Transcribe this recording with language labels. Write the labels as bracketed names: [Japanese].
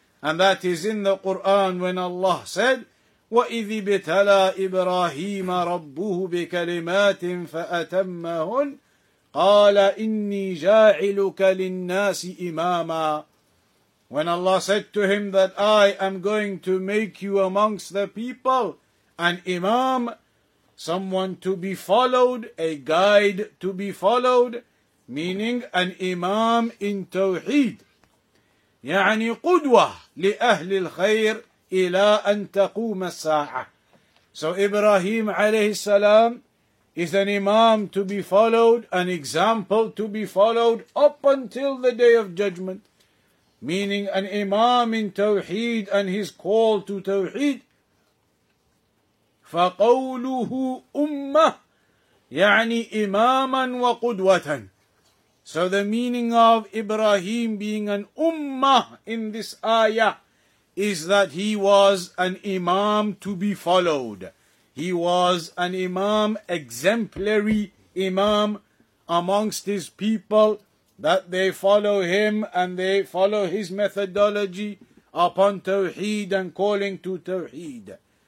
[English] And that is in the Quran when Allah said, [Arabic] وَإِذْ بِتَلَى إِبْرَاهِيمَ رَبُّهُ بِكَلِمَاتٍ فَأَتَمَّهُنْ قَالَ إِنِّي جَاعِلُكَ لِلنَّاسِ إِمَامًا. [English] When Allah said to him that I am going to make you amongst the people an imam, someone to be followed, a guide to be followed, meaning an imam in tawheed. [Arabic] يعني قدوة لأهل الخير إلى أن تقوم الساعة. [English] So Ibrahim عليه السلام is an imam to be followed, an example to be followed up until the day of judgment. Meaning an imam in tawheed and his call to tawheed. [Arabic] فقوله أمة يعني إماما وقدوة. [English] So the meaning of Ibrahim being an ummah in this ayah is that he was an imam to be followed. He was an imam, exemplary imam amongst his people, that they follow him and they follow his methodology upon tawheed and calling to tawheed.